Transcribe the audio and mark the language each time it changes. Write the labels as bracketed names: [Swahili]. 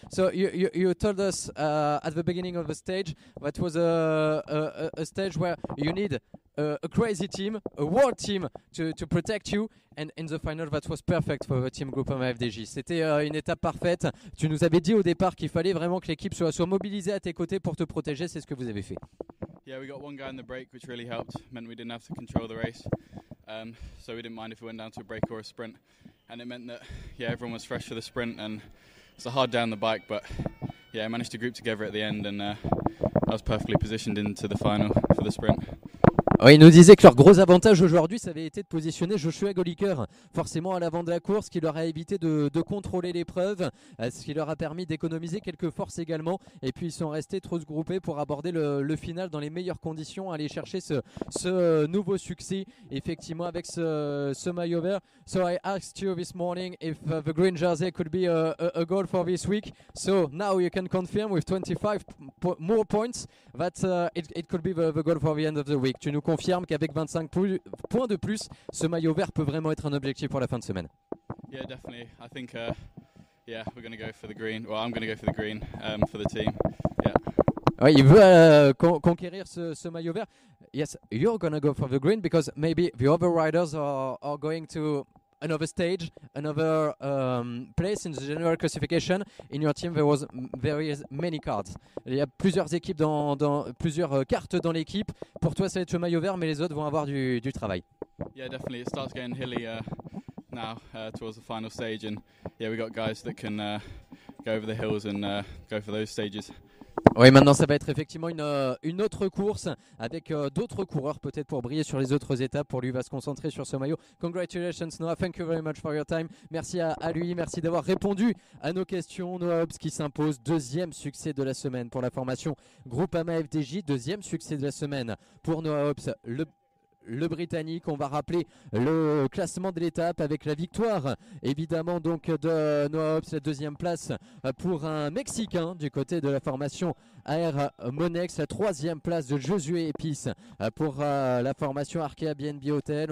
[English] So you told us at the beginning of the stage that was a stage where you need a crazy team, a world team to protect you. And in the final, that was perfect for the team Groupama FDJ. [French] C'était une étape parfaite. Tu nous avais dit au départ qu'il fallait vraiment que l'équipe soit mobilisée à tes côtés pour te protéger. C'est ce que vous avez fait. [English] Yeah, we got one guy in the break, which really helped. It meant we didn't have to control the race. So we didn't mind if we went down to a break or a sprint. And it meant that, yeah, everyone was fresh for the sprint. And it's a hard day on the bike, but yeah, I managed to group together at the end. And I was perfectly positioned into the final for the sprint. [French] Oui, ils nous disaient que leur gros avantage aujourd'hui, ça avait été de positionner Joshua Golicker forcément à l'avant de la course, ce qui leur a évité de contrôler l'épreuve, ce qui leur a permis d'économiser quelques forces également. Et puis ils sont restés trop groupés pour aborder le final dans les meilleures conditions, aller chercher ce nouveau succès effectivement avec ce maillot vert. [English] So I asked you this morning if the green jersey could be a goal for this week. So now you can confirm with 25 more points that it could be the goal for the end of the week. [French] Nous confirme qu'avec 25 points de plus, ce maillot vert peut vraiment être un objectif pour la fin de semaine. [English] Yeah, definitely. I think we're going to go for the green. Well, I'm going to go for the green for the team. Yeah. [French] Oui, il veut conquérir ce maillot vert. [English] Yes, you're going to go for the green because maybe the other riders are going to another stage, another place in the general classification. In your team, there was various many cards. [French] Il y a plusieurs équipes dans plusieurs cartes dans l'équipe. Pour toi, ça va être le maillot vert, mais les autres vont avoir du travail. [English] Yeah, definitely. It starts getting hilly now towards the final stage, and yeah, we got guys that can go over the hills and go for those stages. [French] Oui, maintenant ça va être effectivement une autre course avec d'autres coureurs peut-être pour briller sur les autres étapes. Pour lui, va se concentrer sur ce maillot. [English] Congratulations Noah, thank you very much for your time. [French] Merci à lui, merci d'avoir répondu à nos questions. Noah Hobbs qui s'impose, deuxième succès de la semaine pour la formation Groupama FDJ, deuxième succès de la semaine pour Noah Hobbs, le Britannique. On va rappeler le classement de l'étape avec la victoire évidemment donc de Noah Hobbs, la deuxième place pour un Mexicain du côté de la formation AR Monex, la troisième place de Josué Epis pour la formation Arkea BNB Hotel.